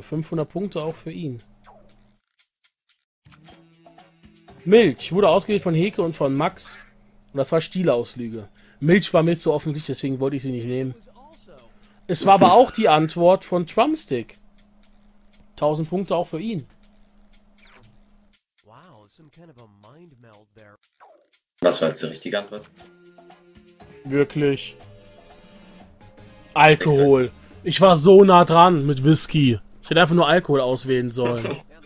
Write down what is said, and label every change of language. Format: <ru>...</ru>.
<de>500 Punkte auch für ihn. Milch wurde ausgewählt von Heke und von Max. Und das war Stielaus Lüge. Milch war mir zu offensichtlich, deswegen wollte ich sie nicht nehmen. Es war aber auch die Antwort von Trumpstick. 1000 Punkte auch für ihn.</de> <en>Wow, some kind of a mind meld there.</en> <de>Was war jetzt die richtige Antwort? Wirklich. Alkohol. Ich war so nah dran mit Whisky. Ich hätte einfach nur Alkohol auswählen sollen.</de>